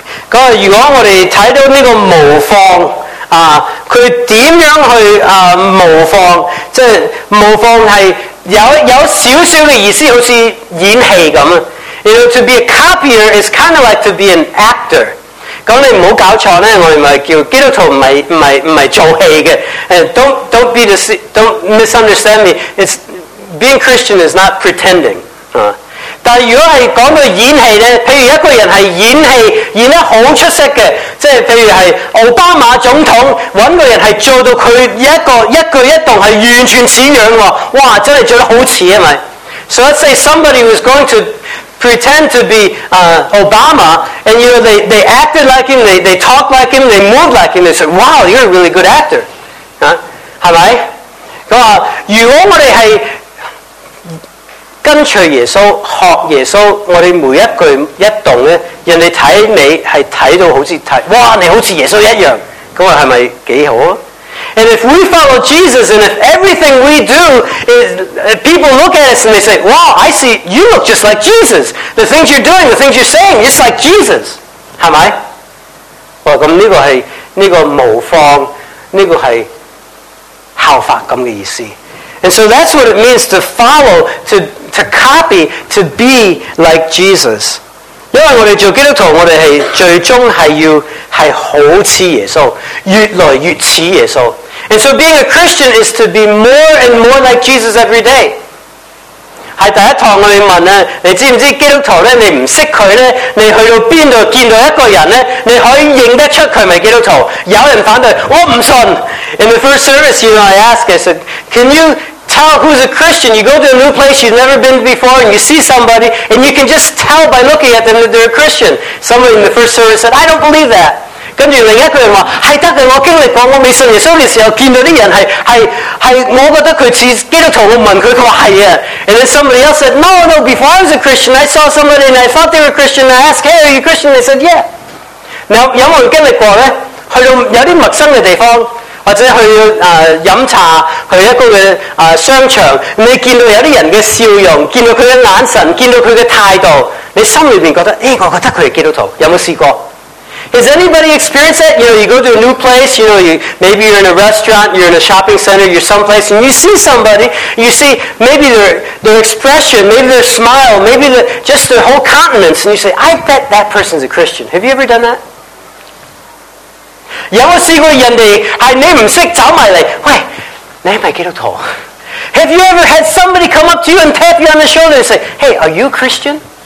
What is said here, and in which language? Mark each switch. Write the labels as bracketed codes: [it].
[zh] 如果我们看到这个模仿，他怎样去模仿，即是模仿是有少少的意思，好像演戏一样。 [en] You know, to be a copier is kind of like to be an actor. [zh] 那你不要搞错，我们不是叫基督徒不是做戏的。 [en] Don't misunderstand me. It's, being Christian is not pretending. [zh] 但如果是讲到演戏呢，譬如一个人是演戏演得很出色的，即是譬如是奥巴马总统，找个人是做到他一句一动是完全似样的，哇，真的做得很似，是吧？ [en] So let's say somebody was going to pretend to be Obama, and you know, they acted like him, they talked like him, they moved like him, they said, wow, you're a really good actor. [zh] 是吧？他说，如果我们是跟随耶稣，学耶稣，我们每一句一动呢，人家看你是看到好像，哇，你好像耶稣一样，那是不是挺好啊？ [en] And if we follow Jesus, and if everything we do, is, people look at us and they say, wow, I see, you look just like Jesus. The things you're doing, the things you're saying, it's like Jesus. [zh] 是不是？哇，那这个是，这个模仿，这个是效法这样的意思。 [en] And so that's what it means to follow, to copy, to be like Jesus. [zh] 因为我们做基督徒，我们是最终是要是好似耶稣，越来越似耶稣。 [en] And so being a Christian is to be more and more like Jesus every day. [zh] 在第一堂我们问呢，你知不知道基督徒呢，你不识他呢，你去到哪里见到一个人呢，你可以认得出他是基督徒。有人反对，我不信。 [en] In the first service, you know, I asked, I said, can you tell who's a Christian? You go to a new place you've never been before and you see somebody and you can just tell by looking at them that they're a Christian. Somebody in the first service said, I don't believe that. [zh] 跟住另一个人说，是的，我经历过，我未信耶稣的时候见到的人是我觉得他像基督徒，我问他，他说是的。 [en] And then somebody else said, no, before I was a Christian, I saw somebody and I thought they were Christian. I asked, hey, are you Christian? They said, yeah. [zh] Now, 有没有人经历过呢？去到有些陌生的地方，或者去飲茶，去一個的商場，你見到有些人的笑容，見到他的眼神，見到他的態度，你心裡面覺得，欸，我覺得他是基督徒，有沒有試過？ [en] Has anybody experienced that? You know, you go to a new place, you know, maybe you're in a restaurant, you're in a shopping center, you're someplace, and you see somebody, you see maybe their expression, maybe their smile, maybe just their whole countenance, and you say, I bet that person's a Christian. Have you ever done that? [zh] 有没有试过人家是你不识走过来，喂，你是不是基督徒？ [en] Have you ever had somebody come up to you and tap you on the shoulder and say, hey, are you Christian?